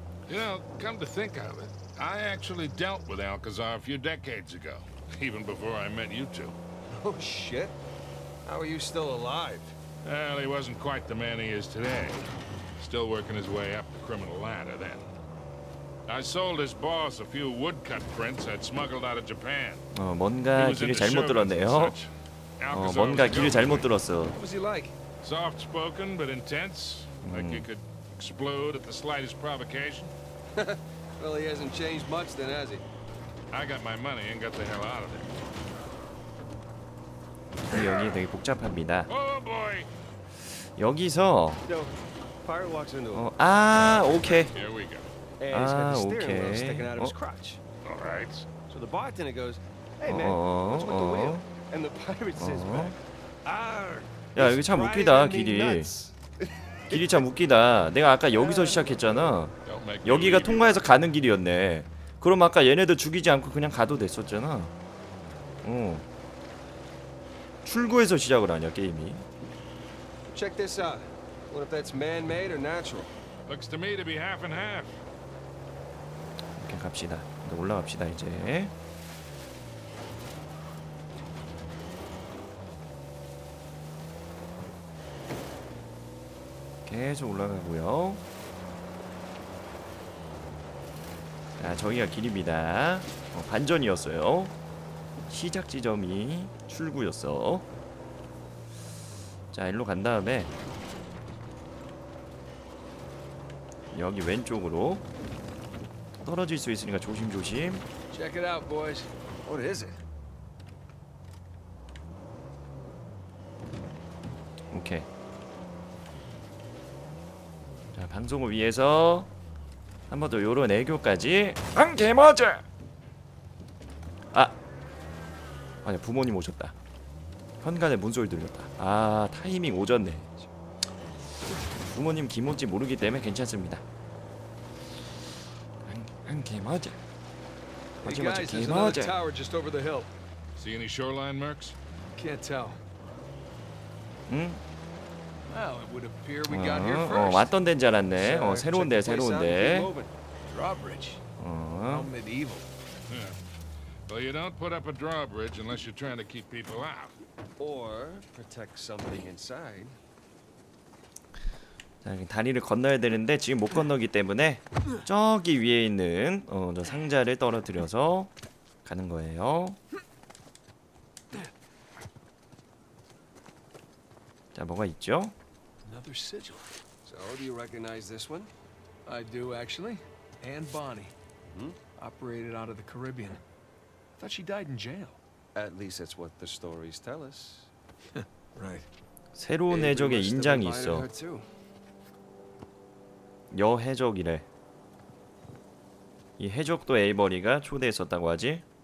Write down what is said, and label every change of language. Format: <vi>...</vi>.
<en>You know, come to think of it, I actually dealt with Alcazar a few decades ago, even before I met you two. Oh shit! How are you still alive? Well, he wasn't quite the man he is today. Still working his way up the criminal ladder then. I sold his boss a few woodcut prints I'd smuggled out of Japan.</en> <ko>뭔가 길을 잘못 들었네요. 뭔가 길을 잘못 들었어.</ko> <en>What was he like? Soft-spoken but intense, like you could explode at the slightest provocation. Well, he hasn't changed much then, has he? I got my money and got the hell out of there.</en> <ko>여기 되게 복잡합니다.</ko> <en>Oh boy.</en> <ko>여기서</ko> <en>Pirate walks into.</en> <ko>아, 오케이.</ko> <en>Here we go. A is got the steering wheel sticking out of his crotch. All right. So the bartender goes, "Hey man, what's with the wheel?" And the pirate says, "Arr."</en> <ko>야, 이거 참 웃기다, 길이. 길이 참 웃기다. 내가 아까 여기서 시작했잖아. 여기가 통과해서 가는 길이었네. 그럼 아까 얘네들 죽이지 않고 그냥 가도 됐었잖아. 출구에서 시작을 하냐 게임이.</ko> <en>Check this out. What if that's man-made or natural? Looks to me to be half and half.</en> <ko>이렇게 갑시다. 올라갑시다 이제. 계속 올라가고요. 자, 저기가 길입니다. 반전이었어요. 시작 지점이 출구였어. 자, 일로 간 다음에 여기 왼쪽으로 떨어질 수 있으니까 조심조심.</ko> <en>Check it out, boys. What is it?</en> <ko>오케이. 자, 방송을 위해서 한 번 더 요런 애교까지. 한 개머즈. 아, 아니야, 부모님 오셨다. 현관에 문소리 들렸다. 아, 타이밍 오졌네. 부모님 김혼지 모르기 때문에 괜찮습니다. 한 개머즈.</ko> <en>Hey guys, there's another tower just over the hill. See any shoreline marks? Can't tell. Hmm? Well, it would appear we got here first.</en> <ko>왔던 데인 줄 알았네. 새로운 데, 새로운 데.</ko> <en>Drawbridge. How medieval. Well, you don't put up a drawbridge unless you're trying to keep people out. Or protect something inside.</en> <ko>다리를 건너야 되는데 지금 못 건너기 때문에 저기 위에 있는 저 상자를 떨어뜨려서 가는 거예요. 자, 뭐가 있죠?</ko> <en>Another sigil. So do you recognize this one? I do actually. Anne Bonny. Hmm? Operated out of the Caribbean. I thought she died in jail. At least that's what the stories tell us. Right.</en> <ko>새로운 해적의 인장이 있어. 여 해적이래. 이 해적도 에이버리가 초대했었다고 하지.</ko>